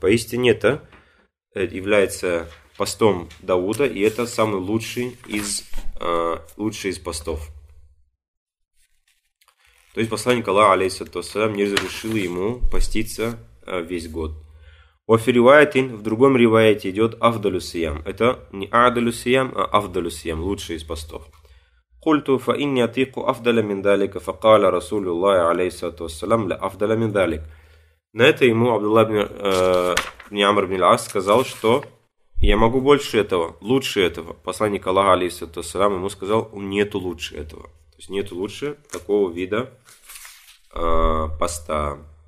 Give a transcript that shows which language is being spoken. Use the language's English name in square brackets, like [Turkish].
[Russian] Поистине это является постом Дауда, и это самый лучший из постов. То есть посланник Аллаха, алейхиссалату вассалям, не разрешил ему поститься весь год. В другом ривайте идет афдалю сиям. Это не а'далю сиям, а афдалю сиям, лучший из постов. [Arabic] قلت فإني أطيق أفضل من ذلك فقال رسول الله عليه الصلاة والسلام لا أفضل من ذلك. [Russian] На это ему Абдулла ибн Амр ибн аль-Ас сказал, что я могу больше этого, лучше этого. Посланник Аллаха алейхиссалату вассалям ему сказал, нету лучше этого. То есть нету лучше такого вида поста.